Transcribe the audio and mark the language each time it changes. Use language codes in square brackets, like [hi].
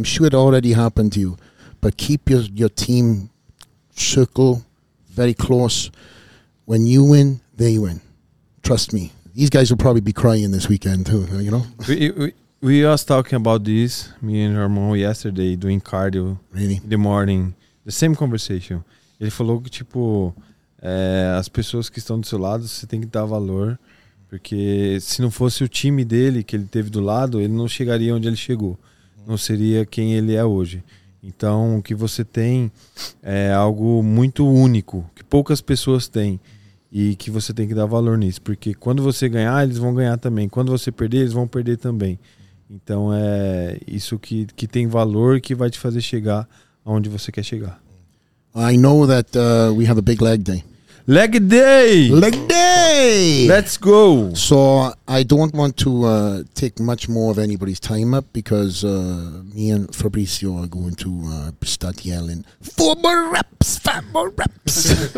[en] I'm sure it already happened to you. But keep your team circle very close. When you win, they win. Trust me. These guys will probably be crying this weekend, too, you know? We was talking about this, me and Ramon, yesterday, doing cardio. Really? In the morning. The same conversation. [pt] Ele falou que, tipo, as pessoas que estão do seu lado, você tem que dar valor. Porque se não fosse o time dele que ele teve do lado, ele não chegaria onde ele chegou. Não seria quem ele é hoje. Então, o que você tem é algo muito único, que poucas pessoas têm. E que você tem que dar valor nisso. Porque quando você ganhar, eles vão ganhar também. Quando você perder, eles vão perder também. Então, é isso que tem valor e que vai te fazer chegar onde você quer chegar. [en] I know that we have a big leg day. Leg day! Leg day! Let's go! So I don't want to take much more of anybody's time up because me and Fabrizio are going to start yelling, four more reps, five more reps!